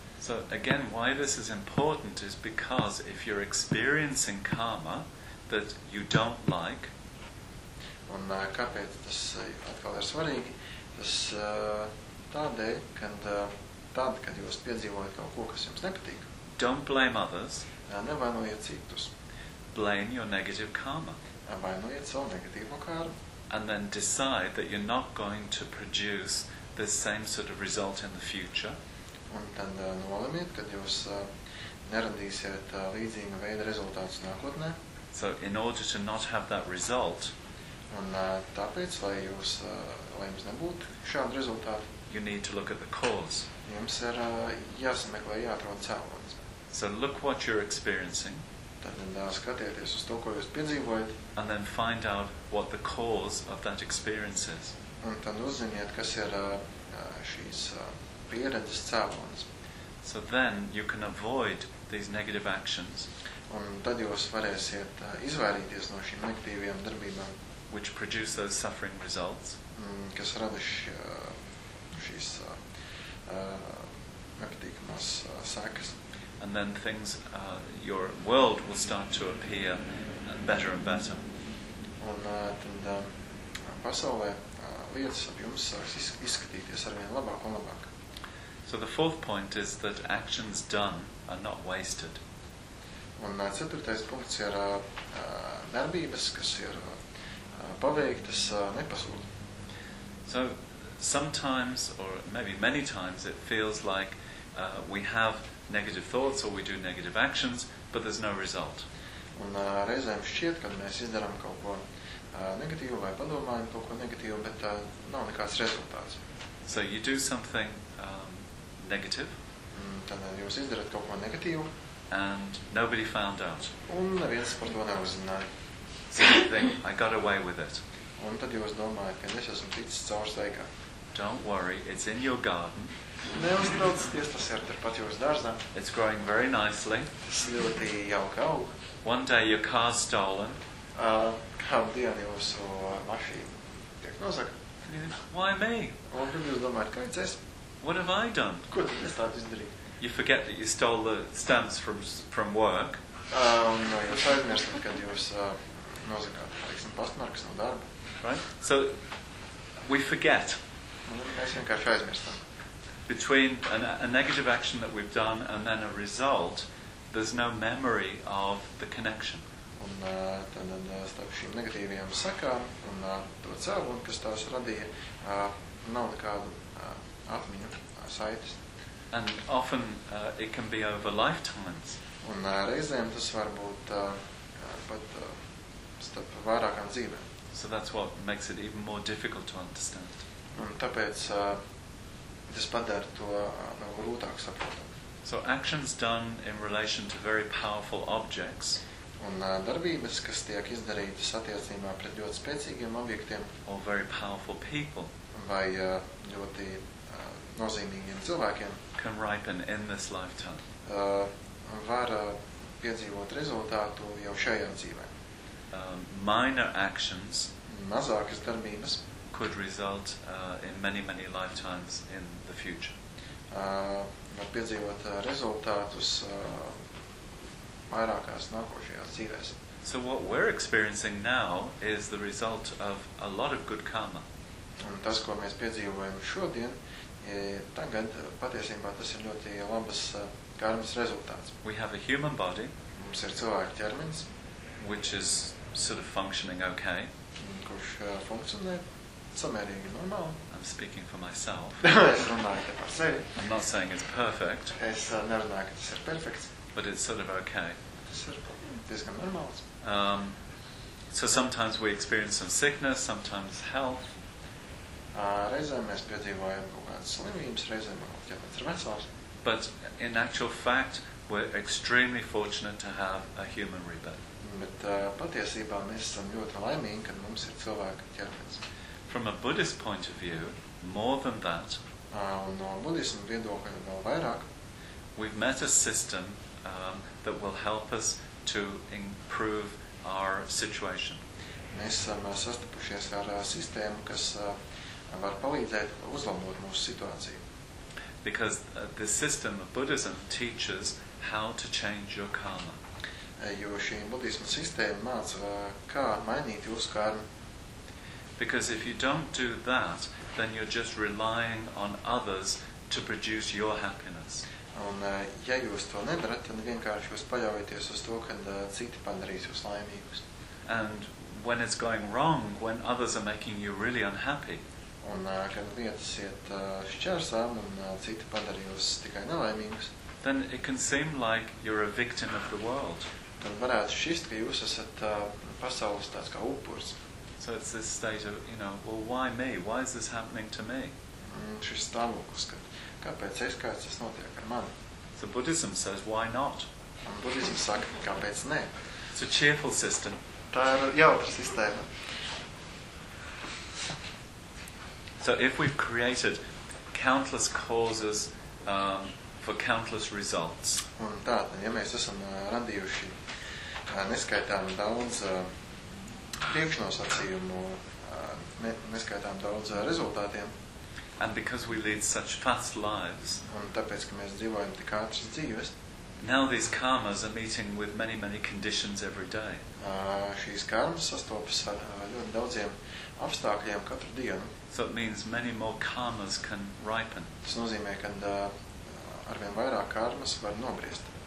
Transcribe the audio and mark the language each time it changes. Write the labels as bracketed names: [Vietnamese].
[English] So again, why this is important is because if you're experiencing karma that you don't like, [Latvian] un kāpēc tas atkal ir svarīgi, tas tādēļ, kad tad, kad jūs piedzīvojat kaut ko, kas jums nepatīk. [English] Don't blame others. [Latvian] Nevainojiet citus. [English] Blame your negative karma. [Latvian] Vainojiet savu negatīvo karmu. [English] And then decide that you're not going to produce the same sort of result in the future. [Latvian] Un tad nolemiet, kad jūs neradīsiet līdzīga veida rezultātus nākotnē. [English] So in order to not have that result, [Latvian] un tāpēc, lai jūs, lai jums nebūtu šādu rezultātu, [English] you need to look at the cause. [Latvian] Jums ir jāsameklē, jāatrod cēlonis. [English] So look what you're experiencing. [Latvian] Tad skatieties uz to, ko jūs piedzīvojat. [English] And then find out what the cause of that experience is. [Latvian] Un tad uzziniet, kas ir šīs pieredzes cēlonis. [English] So then you can avoid these negative actions. [Latvian] Un tad jūs varēsiet izvairīties no šīm negatīvajām darbībām. [English] Which produce those suffering results. [Latvian] Kas rada šīs nepatīkamās sākas. [English] And then things, your world will start to appear better and better. [Latvian] Un tad pasaulē lietas ap jums sāks izskatīties arvien labāk un labāk. [English] So the fourth point is that actions done are not wasted. [Latvian] Un ceturtais punkts ir darbības, kas ir paveiktas nepazūd. [English] So sometimes, or maybe many times, it feels like we have negative thoughts or we do negative actions, but there's no result. [Latvian] Un reizēm šķiet, kad mēs izdarām kaut ko negatīvu vai padomājam kaut ko negatīvu, bet nav nekāds rezultāts. [English] So you do something negative. [Latvian] Tad jūs izdarāt kaut ko negatīvu. [English] And nobody found out. [Latvian] Un neviens par to neuzināja. [English] So you think, I got away with it. [Latvian] Un tad jūs domājat, ka es esmu ticis caur staigā. [English] Don't worry, it's in your garden. [Latvian] Neuztraucaties, tas ir turpat jūsu dārzā. [English] It's growing very nicely. [Latvian] Tas ļoti jauka aug. [English] One day your car's stolen. [Latvian] Kādu dienu jūsu mašīnu tiek nozaga. [English] Why me? [Latvian] Un tad jūs domājat, kāds es? [English] What have I done? [Latvian] Ko tad es tādu izdarīju? [English] You forget that you stole the stamps from work. [Latvian] Jūs aizmirstat, kad jūs nozagāt, teiksim, pastmarkas no darba. [English] Right? So, we forget. [Latvian] Mēs vienkārši aizmirstam. [English] Between a negative action that we've done and then a result, there's no memory of the connection. [Latvian] Un tad starp šīm negatīvajām sakām un to cēlu, kas tās radīja, nav nekādu atmiņu saites. [English] And often it can be over lifetimes. [Latvian] Un reizēm tas var būt pat starp vairākām dzīvēm. [English] So that's what makes it even more difficult to understand. [Latvian] Un tāpēc tas padara to grūtāk saprotam. [English] So actions done in relation to very powerful objects. [Latvian] Un darbības, kas tiek izdarītas attiecībā pret ļoti spēcīgiem objektiem. [English] Or very powerful people. [Latvian] Vai ļoti nozīmīgiem cilvēkiem. [English] Can ripen in this lifetime. [Latvian] Var piedzīvot rezultātu jau šajā dzīvē. [English] Minor actions. [Latvian] Mazākas darbības. [English] Could result in many, many lifetimes in the future. [Latvian] Var piedzīvot rezultātus vairākās nākošajās dzīvēs. [English] So what we're experiencing now is the result of a lot of good karma. [Latvian] Un tas, ko mēs piedzīvojam šodien, tagad patiesībā tas ir ļoti labas karmas rezultāts. [English] We have a human body. [Latvian] Mums ir cilvēka ķermenis. [English] Which is sort of functioning okay. [Latvian] Kurš funkcionē. Samērīgi normāli. [English] I'm speaking for myself. [Latvian] Es runāju par sevi. [English] I'm not saying it's perfect. [Latvian] Es nerunāju, ka tas ir perfekts. [English] But it's sort of okay. [Latvian] Tas ir diezgan normāls. [English] So sometimes we experience some sickness, sometimes health. [Latvian] Reizēm mēs piedzīvojam kaut kādas slimības, reizēm kāpēc ir vecās. [English] But in actual fact, we're extremely fortunate to have a human rebirth. [Latvian] Bet patiesībā mēs esam ļoti laimīgi, kad mums ir cilvēka ķermenis. [English] From a Buddhist point of view, more than that, [Latvian] no budismu viedokļa vēl vairāk, [English] we've met a system that will help us to improve our situation. [Latvian] Mēs esam sastapušies ar sistēmu, kas var palīdzēt uzlabot mūsu situāciju. [English] Because the system of Buddhism teaches how to change your karma. [Latvian] Jo šī budismu sistēma māca, kā mainīt jūsu karmu. [English] Because if you don't do that, then you're just relying on others to produce your happiness. [Latvian] Un ja jūs to nedarat, tad vienkārši jūs paļaujaties uz to, kad citi padarīs jūs laimīgus. [English] And when it's going wrong, when others are making you really unhappy. [Latvian] Un kad lietas iet šķērsām un citi padarīs jūs tikai nelaimīgus. [English] Then it can seem like you're a victim of the world. [Latvian] Tad varētu šķist, ka jūs esat pasaules tāds kā upurs. [English] So it's this state of, you know, well, why me? Why is this happening to me? [Latvian] Šis stāvoklis, ka kāpēc es, kāpēc tas notiek ar mani? [English] So Buddhism says, why not? [Latvian] Un Buddhism saka, kāpēc ne? [English] It's a cheerful system. [Latvian] Tā ir jautra sistēma. [English] So if we've created countless causes for countless results. [Latvian] Un tātad, ja mēs esam radījuši neskaitām daudz priekšnosacījumu, neskaitām daudz rezultātiem. [English] And because we lead such fast lives. [Latvian] Un tāpēc, ka mēs dzīvojam tik ātras dzīves. [English] Now these karmas are meeting with many, many conditions every day. [Latvian] Šīs karmas sastopas ar ļoti daudziem apstākļiem katru dienu. [English] So it means many more karmas can ripen. [Latvian] Tas nozīmē, ka arvien vairāk karmas var nobriest.